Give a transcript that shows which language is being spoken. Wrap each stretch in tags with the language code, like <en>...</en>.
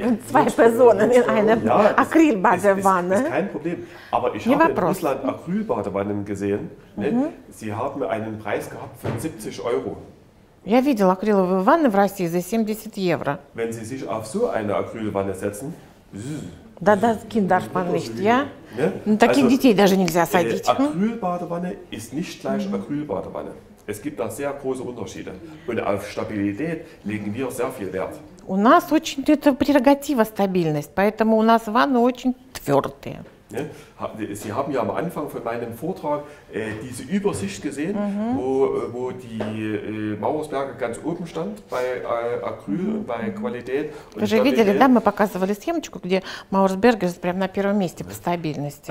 <de>Zwei Personen in eine Acrylbadewanne. Ist kein Problem. Aber ich habe in Russland Acrylbadewannen gesehen. Sie haben einen Preis gehabt von 70 Euro.</de> <ru>Я видел акриловые ванны в России за 70 евро.</ru> <de>Wenn Sie sich auf so eine Acrylwanne setzen, да, да, Kind darf man nicht, ja? Ne?</de> <ru>Таких also, детей даже нельзя садить.</ru> <de>Acrylbadewanne ist nicht gleich Acrylbadewanne. Es gibt da sehr große Unterschiede. Und auf Stabilität legen wir sehr viel Wert.</de> <ru>У нас очень это прерогатива стабильность, поэтому у нас ванны очень твердые.</ru> <de>Sie haben ja am Anfang von meinem Vortrag diese Übersicht gesehen, wo die Mauersberger ganz oben stand bei Acryl und bei Qualität. Wir haben gesehen, wir haben</de> <ru>показывали схемочку, где Mauersberger ist прямо на первом месте по стабильности.</ru>